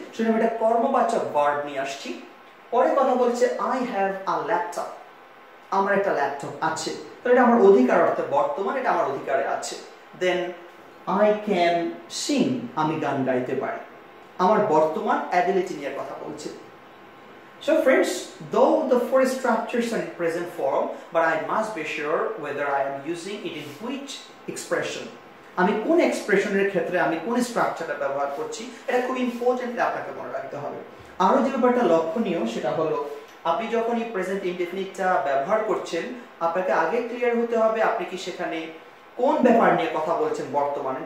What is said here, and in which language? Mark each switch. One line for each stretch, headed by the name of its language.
Bangla: শুনে আমি এটা কর্মবাচক ভার্ব নিয়ে আসছি। পরে কথা বলছে
English: I have a laptop,
Bangla: আমার একটা ল্যাপটপ আছে, তো এটা আমার অধিকার, অর্থাৎ বর্তমান এটা আমার অধিকারে আছে।
English: then I can sing,
Bangla: আমি গান গাইতে পারি, আমার বর্তমান অ্যাবিলিটি নিয়ে কথা বলছে।
English: So friends, though the four structures are in present form, but I must be sure whether I am using it in which expression.
Bangla: আমি কোন এক্সপ্রেশনের ক্ষেত্রে আমি কোন স্ট্রাকচারটা ব্যবহার করছি, এটা খুব ইম্পর্টেন্ট আপনাকে মনে রাখতে হবে। আরো যে ব্যাপারটা লক্ষণীয় সেটা হলো আপনি যখন এই প্রেজেন্ট ইনডেফিনিটটা ব্যবহার করছেন, আপনাকে আগে ক্লিয়ার হতে হবে আপনি কি সেখানে কোন ব্যাপার নিয়ে কথা বলছেন বর্তমানে।